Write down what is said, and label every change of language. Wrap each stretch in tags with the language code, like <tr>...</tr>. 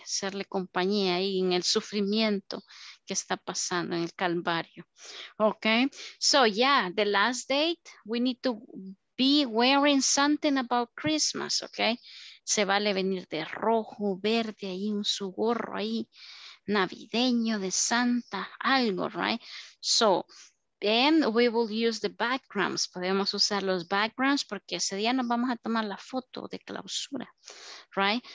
<es>Hacerle compañía ahí en el sufrimiento que está pasando, en el calvario.</es> <en>Okay, so yeah, the last date, we need to be wearing something about Christmas, okay?</en> <es>Se vale venir de rojo, verde, ahí en su gorro, ahí, navideño, de Santa, algo,</es> <en>right? So, then we will use the backgrounds.</en> <es>Podemos usar los backgrounds porque ese día nos vamos a tomar la foto de clausura,</es> <en>right?</en>